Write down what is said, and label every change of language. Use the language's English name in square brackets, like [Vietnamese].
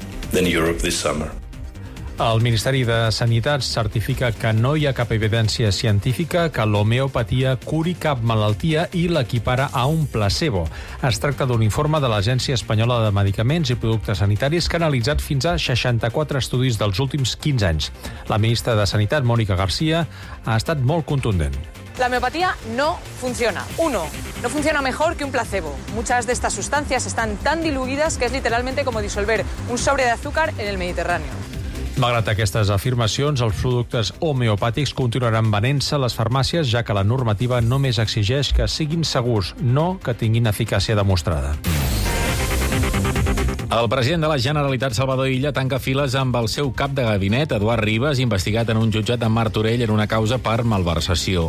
[Catalan] El Ministeri de Sanitat certifica que no hi ha cap evidència científica que l'homeopatia curi cap malaltia i l'equipara a un placebo. Es tracta d'un informe de l'Agència Espanyola de Medicaments i Productes Sanitaris que ha analitzat fins a 64 estudis dels últims 15 anys. La ministra de Sanitat, Mònica García, ha estat molt contundent. [Spanish] La homeopatía no funciona. Uno, no funciona mejor que un placebo. Muchas de estas sustancias están tan diluidas que es literalmente como disolver un sobre de azúcar en el Mediterráneo. [Catalan] Malgrat aquestes afirmacions, els productes homeopàtics continuaran venent-se a les farmàcies, ja que la normativa només exigeix que siguin segurs, no que tinguin eficàcia demostrada. El president de la Generalitat, Salvador Illa, tanca files amb el seu cap de gabinet, Eduard Ribas, investigat en un jutjat de Martorell en una causa per malversació.